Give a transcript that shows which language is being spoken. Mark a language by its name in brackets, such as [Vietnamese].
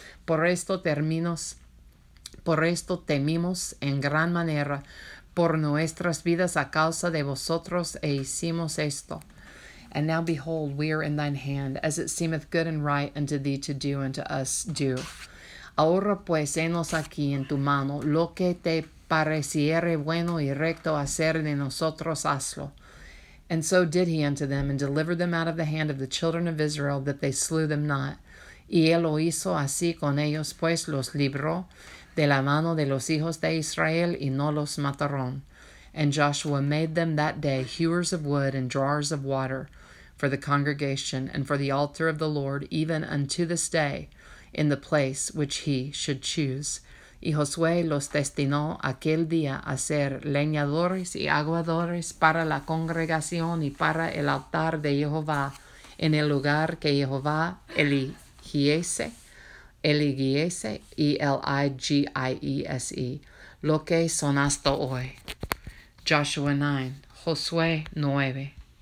[Spanish] Por esto temimos en gran manera por nuestras vidas a causa de vosotros e hicimos esto. [English] And now behold, we are in thine hand, as it seemeth good and right unto thee to do, and to us do. [Spanish] Ahora pues, henos aquí en tu mano, lo que te pareciere bueno y recto hacer de nosotros, hazlo. [English] And so did he unto them, and delivered them out of the hand of the children of Israel, that they slew them not. [Spanish] Y él lo hizo así con ellos, pues los libró de la mano de los hijos de Israel, y no los mataron. [English] And Joshua made them that day hewers of wood and drawers of water for the congregation and for the altar of the Lord, even unto this day, in the place which he should choose. [Spanish] Y Josué los destinó aquel día a ser leñadores y aguadores para la congregación y para el altar de Jehová en el lugar que Jehová eligiese, eligiese, lo que son hasta hoy. Joshua 9, Josué 9.